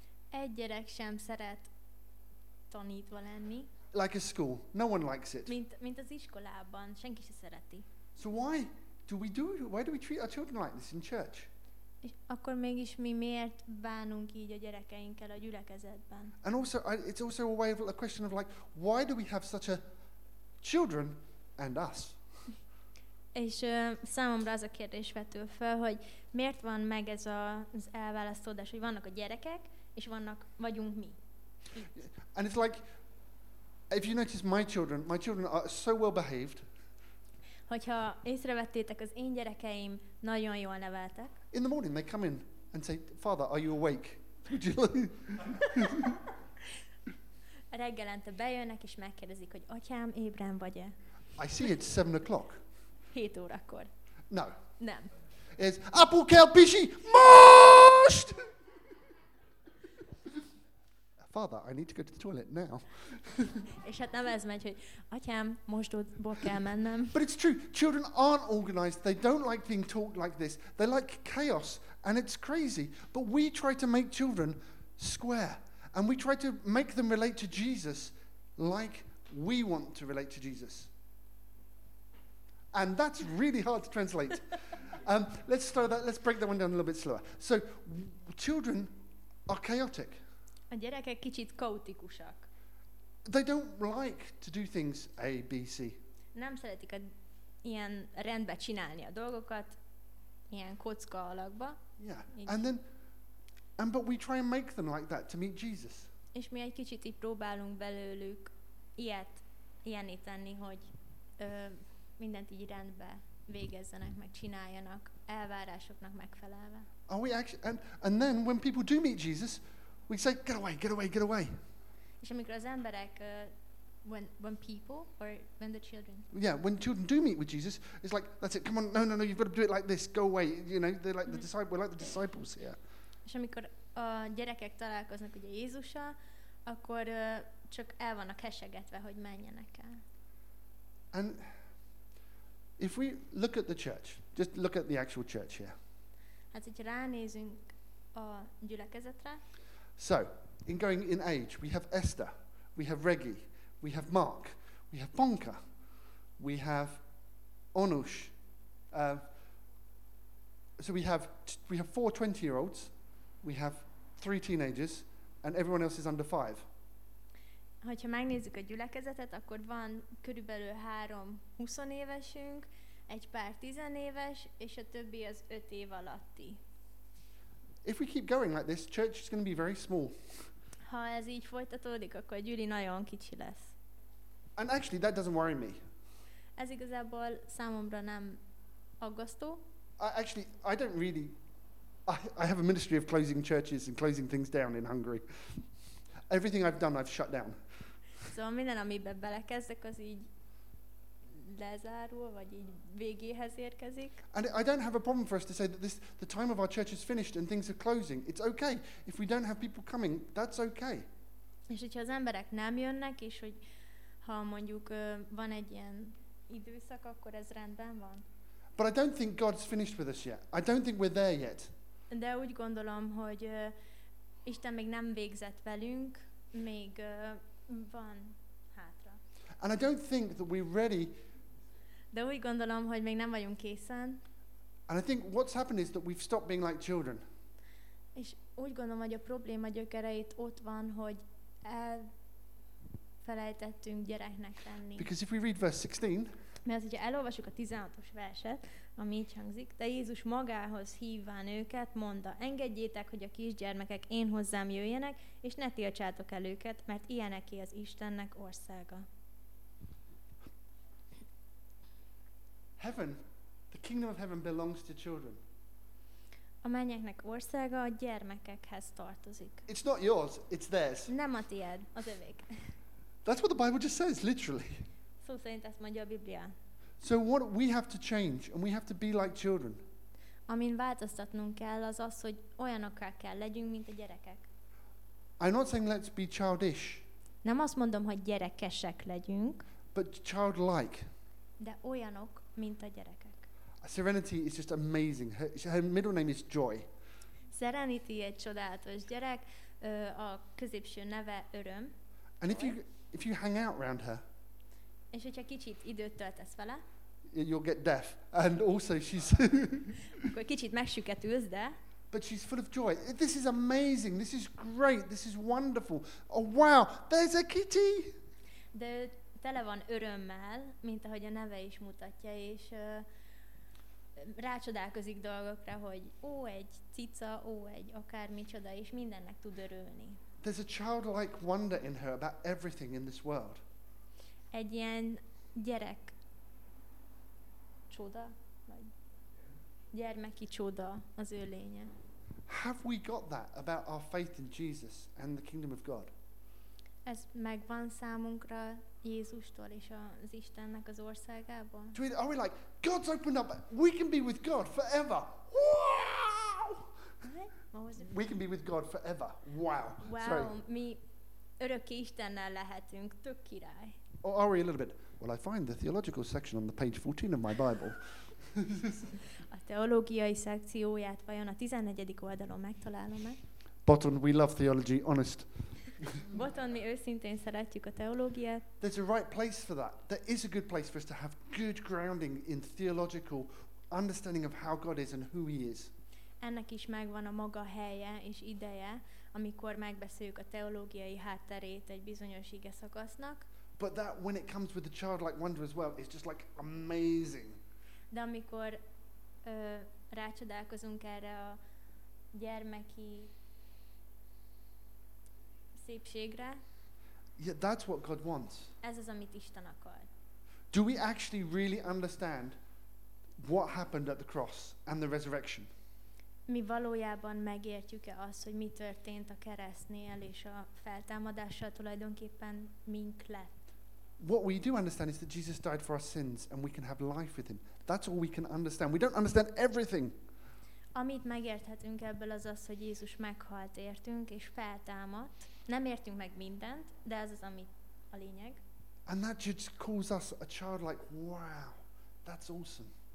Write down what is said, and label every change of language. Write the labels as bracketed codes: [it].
[hu] Egy gyerek sem szeret tanítva lenni. [en] Like a school. No one likes it. [hu] Mint az iskolában, senki se szereti. [en] So why do we do, why do we treat our children like this in church? [hu] És akkor mégis mi miért bánunk így a gyerekeinkkel a gyülekezetben? [en] And also, it's also a way of a question of like, why do we have such a children and us? [hu] És számomra az a kérdés vetül föl, hogy miért van meg ez az elválasztódás, hogy vannak a gyerekek, és vannak, vagyunk mi. [en] And it's like, if you notice my children are so well behaved. [hu] Hogyha észrevettétek, az én gyerekeim nagyon jól neveltek. [en] In the morning they come in and say, Father, are you awake? [hu] Reggelente bejönnek és megkérdezik, hogy atyám, ébren vagy-e? [en] I see it's 7 o'clock. [hu] 7 órakor. [en] No. [hu] Nem. [en] It's [hu] apu kell pisi most! [en] Father, I need to go to the toilet now. [hu] És hát nem ez megy, hogy atyám, mosdóból kell mennem. [en] But it's true. Children aren't organized. They don't like being taught like this. They like chaos, and it's crazy. But we try to make children square, and we try to make them relate to Jesus like we want to relate to Jesus. And that's really hard to translate. Let's slow that. Let's break that one down a little bit slower. So, children are chaotic. [hu] A gyerekek kicsit kaotikusak. [en] They don't like to do things A, B, C. [hu] Nem szeretik ilyen rendbe csinálni a dolgokat, ilyen kocka alakba. [en] Yeah. But we try and make them like that to meet Jesus. [hu] És mi egy kicsit így próbálunk belőlük ilyenné tenni, hogy mindent így rendbe végezzenek, meg csináljanak, elvárásoknak megfelelve. [en] Are we actually, and then when people do meet Jesus, we say, get away, get away, get away. [hu] És amikor az emberek, [en] when people, or when the children. Yeah, when children do meet with Jesus, it's like, that's it, come on, no, you've got to do it like this, go away. You know, they're like the disciples, we're like the disciples here. [hu] És amikor a gyerekek találkoznak ugye Jézussal, akkor csak el vannak hesegetve, hogy menjenek el. [en] And if we look at the church, just look at the actual church here. [hu] Hát, hogyha ránézünk a gyülekezetre, [en] so, in going in age, we have Esther, we have Reggie, we have Mark, we have Bonka, we have Onush. So we have 4 20-year-olds, we have 3 teenagers, and everyone else is under 5. [hu] Hogyha megnézzük a gyülekezetet, akkor van körülbelül 3 20-évesünk, egy pár 10 éves, és a többi az 5 év alatti. [en] If we keep going like this, church is going to be very small. [hu] Ha ez így folytatódik, akkor a gyűli nagyon kicsi lesz. [en] And actually, that doesn't worry me. [hu] Ez igazából számomra nem aggasztó. [en] I have a ministry of closing churches and closing things down in Hungary. Everything I've done, I've shut down. [hu] Szóval minden, amiben belekezdek, az így lezárul, vagy így végéhez érkezik. [en] And I don't have a problem for us to say that this, the time of our church is finished and things are closing. It's okay. If we don't have people coming, that's okay. [hu] És hogyha az emberek nem jönnek, és hogy ha mondjuk van egy ilyen időszak, akkor ez rendben van. [en] But I don't think God's finished with us yet. I don't think we're there yet. [hu] De úgy gondolom, hogy Isten még nem végzett velünk, még van. [en] And I don't think that we're ready. [hu] De úgy gondolom, hogy még nem vagyunk készen. [en] And I think what's happened is that we've stopped being like children. [hu] És úgy gondolom, hogy a probléma gyökereit ott van, hogy elfelejtettünk gyereknek lenni. [en] Because if we read verse 16. [hu] Mert az, hogyha elolvasjuk a 16-os verset, ami így hangzik, de Jézus magához hívván őket, mondta, engedjétek, hogy a kisgyermekek én hozzám jöjjenek, és ne tiltsátok el őket, mert ilyeneké az Istennek országa. [en] Heaven, the kingdom of heaven belongs to children. [hu] A mennyeknek országa a gyermekekhez tartozik. [en] It's not yours, it's theirs. [hu] Nem a tied, az övék. [en] That's what the Bible just says, literally. [hu] Szó szerint ezt mondja a Biblia. [en] So what we have to change, and we have to be like children. [hu] Amin változtatnunk kell, az az, hogy olyanokká kell legyünk, mint a gyerekek. [en] I'm not saying let's be childish. [hu] Nem azt mondom, hogy gyerekesek legyünk. [en] But childlike. [hu] De olyanok, mint a gyerekek. [en] Serenity is just amazing. Her middle name is Joy. [hu] Serenity egy csodálatos gyerek, a középső neve Öröm. [en] And if you hang out around her. [hu] És hogyha kicsit időt töltesz vele. [en] You'll get deaf. And also she's [hu] akkor kicsit megsüketülsz, de. [en] But she's full of joy. This is amazing. This is great. This is wonderful. Oh wow, there's a kitty. [hu] De tele van örömmel, mint ahogy a neve is mutatja, és rácsodálkozik dolgokra, hogy ó, egy cica, ó, egy akármicsoda, és mindennek tud örülni. [en] There's a childlike wonder in her about everything in this world. [hu] Egy ilyen gyerek csoda, vagy gyermeki csoda az ő lénye. [en] Have we got that about our faith in Jesus and the kingdom of God? [hu] Ez megvan számunkra Jézustól és az Istennek az országából? [en] Are we like, God's opened up, we can be with God forever. Wow! We can be with God forever. Wow. Wow, sorry. [hu] Mi örökké Istennel lehetünk, tök király. [en] Or are we a little bit, well, I find the theological section on the page 14 of my Bible. [hu] A teológiai szekcióját vajon a 14. oldalon megtalálom-e? [en] Button, we love theology, honest. [hu] Button, mi őszintén szeretjük a teológiát. [en] There's a right place for that. There is a good place for us to have good grounding in theological understanding of how God is and who he is. [hu] Ennek is megvan a maga helye és ideje, amikor megbeszéljük a teológiai hátterét egy bizonyos ige szakasznak. [en] But that when it comes with the childlike wonder as well, it's just like amazing. [hu] De amikor rácsodálkozunk erre a gyermeki szépségre. [en] Yeah, that's what God wants. [hu] Ez az, amit Isten akar. [en] Do we actually really understand what happened at the cross and the resurrection? [hu] Mi valójában megértjük-e azt, hogy mi történt a keresztnél és a feltámadással tulajdonképpen mink lett? [en] What we do understand is that Jesus died for our sins and we can have life with him. That's all we can understand. We don't understand everything. [hu] Amit megérthetünk ebből az az, hogy Jézus meghalt, értünk és feltámadt. Nem értünk meg mindent, de ez az, ami a lényeg. [en] And that just calls us a child like, wow, that's awesome.